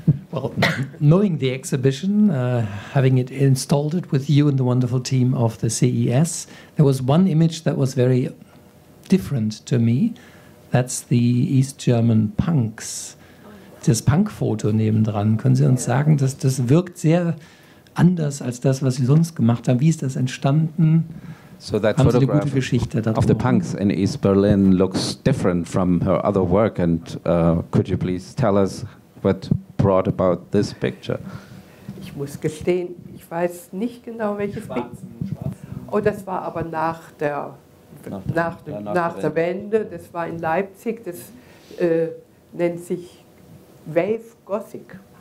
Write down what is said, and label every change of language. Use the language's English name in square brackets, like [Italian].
[English] Well, knowing the exhibition, having it installed it with you and the wonderful team of the CES, there was one image that was very different to me. That's the East German Punks. [German] Das Punk-Foto nebendran. Können Sie uns sagen, dass das wirkt sehr anders als das, was Sie sonst gemacht haben? Wie ist das entstanden? [English] So that photograph of the punks in East Berlin looks different from her other work, and could you please tell us what brought about this picture? [German] Ich muss gestehen, ich weiß nicht genau welches Bild. Oh, das war aber nach der Wende. Das war in Leipzig. Das nennt sich Wave Gothic.